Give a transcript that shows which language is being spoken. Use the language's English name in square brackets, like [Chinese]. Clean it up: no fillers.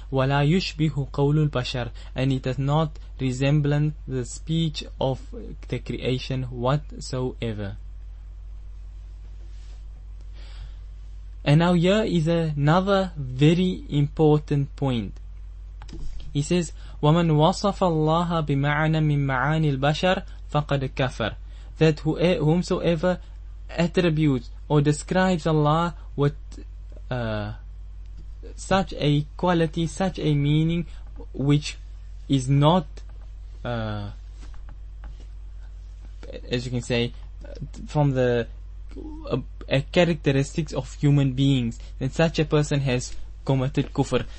[Arabic] وَلَا يُشْبِهُ قَوْلُ الْبَشَرِ, [English] and it does not resemble the speech of the creation whatsoever. And now here is another very important point. He says, [Arabic] وَمَنْ وَصَفَ اللَّهَ بِمَعَنَى مِنْ مَعَانِ الْبَشَرِ فَقَدْ كَفَرَ, [English] that whomsoever attributes or describes Allah with such a quality, such a meaning, which is not, as you can say, from the characteristics of human beings, then such a person has committed kufr.